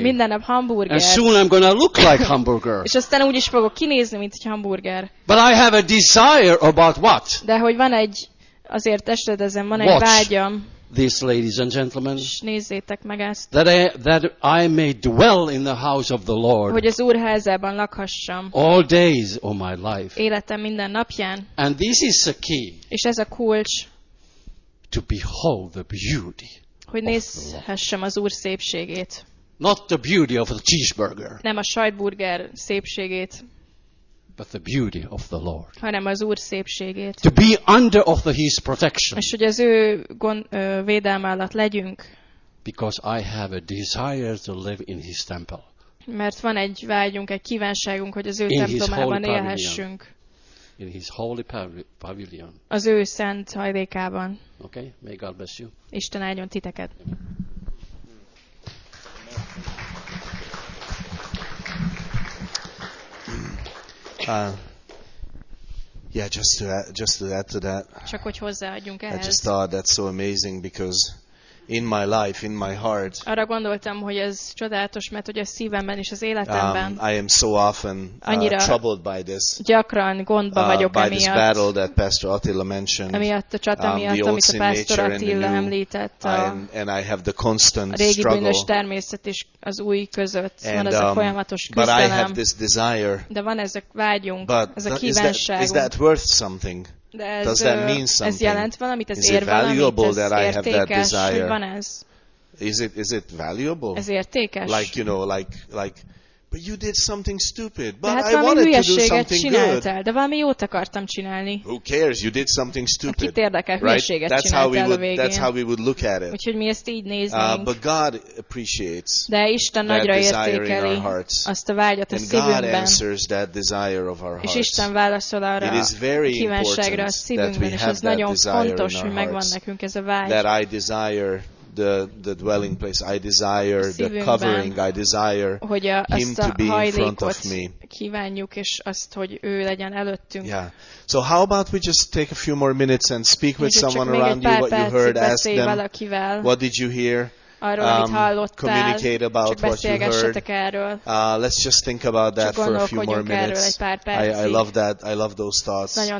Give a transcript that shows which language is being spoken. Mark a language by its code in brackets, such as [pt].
[hu] Minden nap hamburger. [en] And soon I'm gonna look like hamburger. [hu] És aztán úgy is fogok kinézni, mint egy hamburger. [en] But I have a desire about what? [hu] De hogy van egy, azért esedezem, van egy vágyam. [en] This, ladies and gentlemen, [hu] nézzétek meg ezt. [en] That I may dwell in the house of the Lord. [hu] Hogy az Úr házában lakhassam. [en] All days of my life. [hu] Életem minden napján. [en] And this is a key. [hu] És ez a kulcs. [en] To behold the beauty. [hu] Hogy nézhessem az Úr szépségét. [en] Not the beauty of the cheeseburger. [hu] Nem a sajtburger szépségét. [en] But the beauty of the Lord. [hu] Hanem az Úr szépségét. [en] To be under of His protection. [hu] És hogy az ő védelme alatt legyünk. [en] Because I have a desire to live in His temple. [hu] Mert van egy vágyunk, egy kívánságunk, hogy az ő templomában élhessünk. [en] In His holy pavilion. [hu] Az ő szent hajlékában. [en] Okay, may God bless you. [hu] Isten áldjon titeket. [en] Just to add to that. [hu] Csak hogy hozzáadjunk ehhez. [en] I just thought that's so amazing because in my life, in my heart. [hu] Arra gondoltam, hogy ez csodálatos, mert hogy a szívemben és az életemben. [en] I am so often troubled by this. [hu] Gyakran gondba vagyok emiatt. [en] By this battle that Pastor Attila mentioned. [hu] Emiatt a csata miatt, amit a Pastor Attila említett. [en] And I have the constant struggle. [hu] A régi bűnös természet is az új között van ez a folyamatos küzdelem. [en] But I have this desire. [hu] De van ez a vágyunk, ez a kívánságunk. [en] Is that worth something? [hu] De ez, [en] does that mean something? [hu] Ez jelent valamit, ez ér valamit, ez értékes, hogy van ez? [en] is it valuable? [hu] Ez értékes. [en] Like, you know, like but you did something stupid. But hát I wanted to do something good. [hu] De valami jót akartam csinálni. [en] Who cares? You did something stupid. [hu] Kit érdekel, hülyeséget csináltál. [en] That's how we would look at it. [hu] Úgyhogy mi ezt így néznénk. [en] But God appreciates. [hu] De Isten nagyra értékeli azt a vágyat a szívünkben. [en] And God answers that desire of our hearts. [hu] És Isten válaszol arra kívánságra a szívünkben, és ez nagyon fontos, hogy megvan nekünk ez a vágy. [en] That I desire the dwelling place, I desire the covering, I desire him to be in front of me. [hu] Kívánjuk, és azt, hogy ő legyen előttünk. [en] Yeah. So how about we just take a few more minutes and speak with someone around you, what you heard, ask them, what did you hear? Communicate about what you heard. Let's just think about that for a few more minutes. I love that. I love those thoughts.